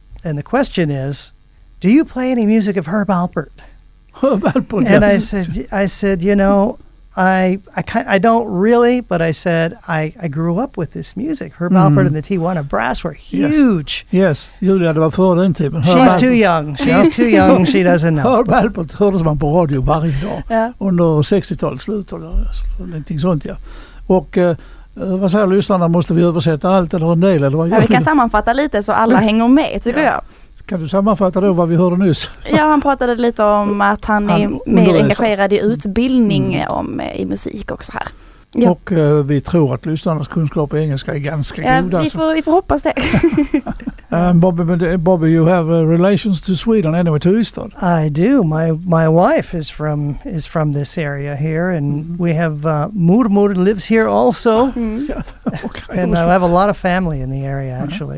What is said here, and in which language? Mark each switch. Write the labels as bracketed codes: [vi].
[en] And the question is, do you play any music of Herb Alpert? Herb Alpert. And I said, you know, I don't really, but I said I grew up with this music. Herb Alpert and the Tijuana Brass were huge. Yes, you got about 4 into it. She's too young. She's too young. She doesn't know. [sv] Herb Alpert hördes man på radio varje dag under 60-talet, slutet av någonting sånt, ja. Och vad säger lyssnarna, måste vi översätta allt eller en del eller vad? Ja, vi kan sammanfatta lite så alla hänger med, tycker jag. Kan du sammanfatta då vad vi hörde nyss? Ja, han pratade lite om att han är mer engagerad i utbildning i musik också här. Ja. Och vi tror att lyssnarnas kunskap i engelska är ganska god. Alltså. Vi får hoppas det. [en] Bobby, you have relations to Sweden anyway, to Ystad. I do. My wife is from this area here, and we have Murmur lives here also. Okay. And I have a lot of family in the area, actually.